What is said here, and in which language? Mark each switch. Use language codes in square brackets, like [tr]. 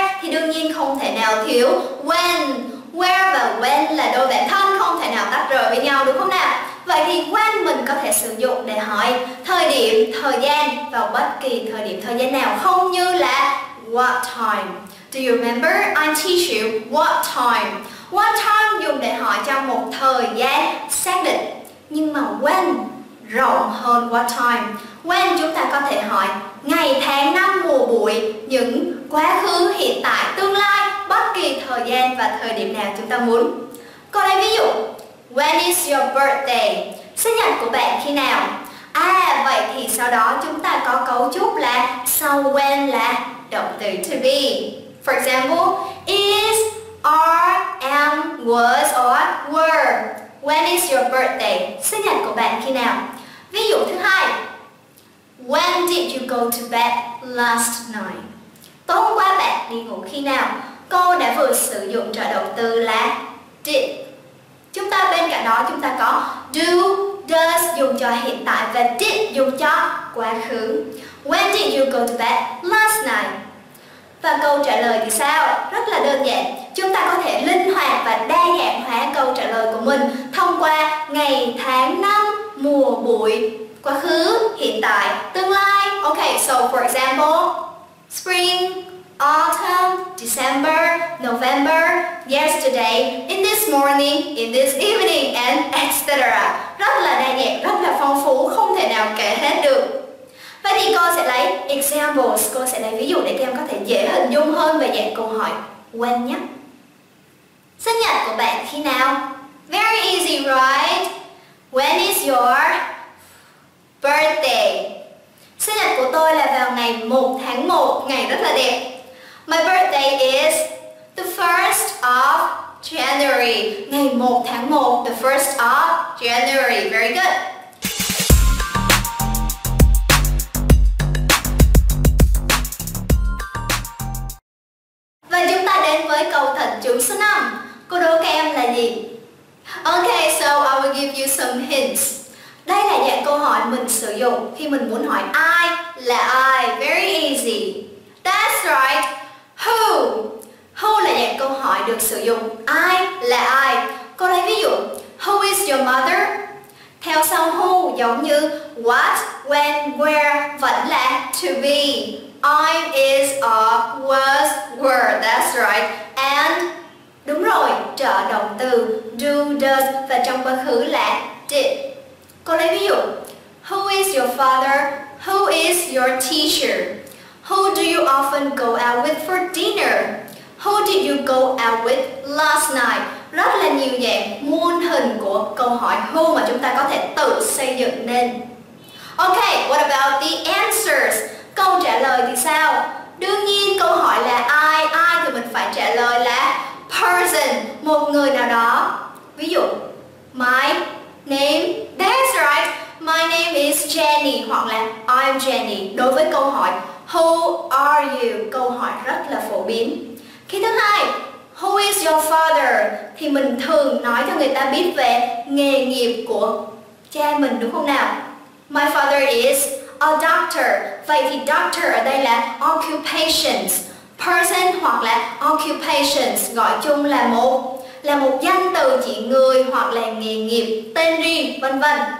[vi] Đương nhiên không thể nào thiếu when. Where và when là đôi bản thân không thể nào tách rời với nhau đúng không nào? Vậy thì when mình có thể sử dụng để hỏi thời điểm, thời gian vào bất kỳ thời điểm, thời gian nào, không như là what time. [en] Do you remember I teach you what time? [vi] What time dùng để hỏi cho một thời gian xác định. Nhưng mà when rộng hơn what time. When chúng ta có thể hỏi ngày, tháng, năm, mùa, buổi, những quá khứ, hiện tại, tương lai, bất kỳ thời gian và thời điểm nào chúng ta muốn. Còn đây ví dụ, [en] when is your birthday? [vi] Sinh nhật của bạn khi nào? À, vậy thì sau đó chúng ta có cấu trúc là sau when là động từ to be. [en] For example, is, are, am, was, or were. When is your birthday? [vi] Sinh nhật của bạn khi nào? Ví dụ thứ hai, [en] when did you go to bed last night? [vi] Tối qua bạn đi ngủ khi nào? Cô đã vừa sử dụng trợ động từ là did. Chúng ta bên cạnh đó chúng ta có do, does dùng cho hiện tại và did dùng cho quá khứ. [en] When did you go to bed last night? [vi] Và câu trả lời thì sao? Rất là đơn giản. Chúng ta có thể linh hoạt và đa dạng hóa câu trả lời của mình thông qua ngày, tháng, năm, mùa, buổi, quá khứ, hiện tại, tương lai. [en] Ok, so for example, spring, autumn, December, November, yesterday, in this morning, in this evening, and etc. [vi] Rất là đa dạng, rất là phong phú, không thể nào kể hết được. Vậy thì cô sẽ lấy examples, cô sẽ lấy ví dụ để các em có thể dễ hình dung hơn về dạng câu hỏi when nhé. Sinh nhật của bạn khi nào? [en] Very easy, right? When is your birthday? [vi] Sinh nhật của tôi là vào ngày 1 tháng 1, ngày rất là đẹp. [en] My birthday is the 1st of January. [vi] Ngày 1 tháng 1, [en] the 1st of January. Very good. [vi] Và chúng ta đến với câu thần chú số 5. Cô đố các em là gì? [en] Ok, so I will give you some hints. [vi] Đây là dạng câu hỏi mình sử dụng khi mình muốn hỏi ai là ai. [en] Very easy. That's right. Who? [vi] Who là dạng câu hỏi được sử dụng. Ai là ai? Cô lấy ví dụ. [en] Who is your mother? [vi] Theo sau who giống như what, when, where, vẫn là to be. [en] I is, are, was, were. That's right. [vi] And, đúng rồi, trợ động từ do, does và trong quá khứ là did. Cô lấy ví dụ. [en] Who is your father? Who is your teacher? Who do you often go out with for dinner? Who did you go out with last night? [vi] Rất là nhiều dạng muôn hình của câu hỏi who mà chúng ta có thể tự xây dựng nên. [en] Ok, what about the answers? [vi] Câu trả lời thì sao? Đương nhiên câu hỏi là ai? Ai thì mình phải trả lời là person, một người nào đó. [en] Ví dụ, my name, that's right, my name is Jenny, hoặc là I'm Jenny. [vi] Đối với câu hỏi [en] who are you, [vi] câu hỏi rất là phổ biến. Khi thứ hai, [en] who is your father, [vi] thì mình thường nói cho người ta biết về nghề nghiệp của cha mình, đúng không nào? [en] My father is a doctor. [vi] Vậy thì doctor ở đây là occupations, person hoặc là occupations, gọi chung là một danh từ chỉ người hoặc là nghề nghiệp, tên riêng, vân vân.